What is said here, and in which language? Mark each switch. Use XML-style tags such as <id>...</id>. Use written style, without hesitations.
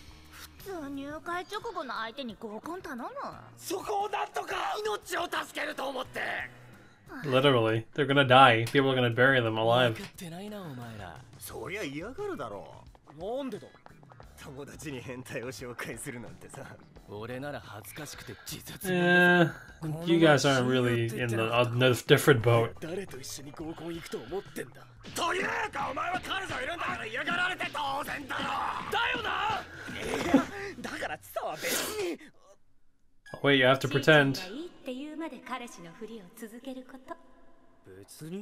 <ja>普通入会直後の相手に合コン頼む。そこをなんとか命を助けると思って。</ja> <en>Literally, they're gonna die. People are gonna bury them alive.</en> <ja>わかってないなお前ら。そりゃ嫌がるだろう。なんでだ。友達に変態を紹介するなんてさ。俺なら恥ずかしくて自殺。</ja> <en>You guys aren't really in a different boat.</en> <ja>誰と一緒に合コン行くと思ってんだ。というかお前は彼女いるんだから嫌がられて当然だろ。だよな。だからつさは別に。</ja> <en>Wait, you have to pretend.</en> <ja>いいって言うまで彼氏のふりを続けること。</ja>